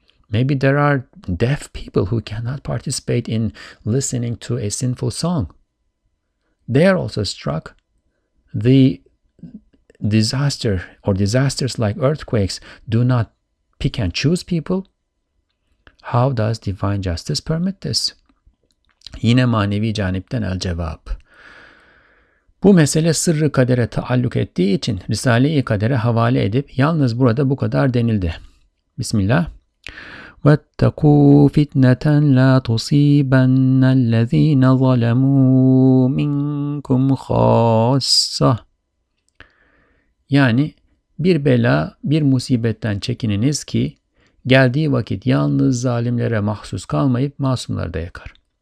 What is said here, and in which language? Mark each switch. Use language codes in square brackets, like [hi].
[en] Maybe there are deaf people who cannot participate in listening to a sinful song. They are also struck. The disaster or disasters like earthquakes do not pick and choose people. How does divine justice permit this? [tr] Yine manevi canipten el cevap. Bu mesele sırrı kadere taalluk ettiği için Risale-i Kadere havale edip yalnız burada bu kadar denildi. Bismillah. [ar] وَاتَّقُوا فِتْنَةً لَا تُصِيبَنَّ الَّذ۪ينَ ظَلَمُوا مِنْكُمْ خَاسَّةً [tr] Yani bir bela, bir musibetten çekininiz ki geldiği vakit yalnız zalimlere mahsus kalmayıp masumları da yakar.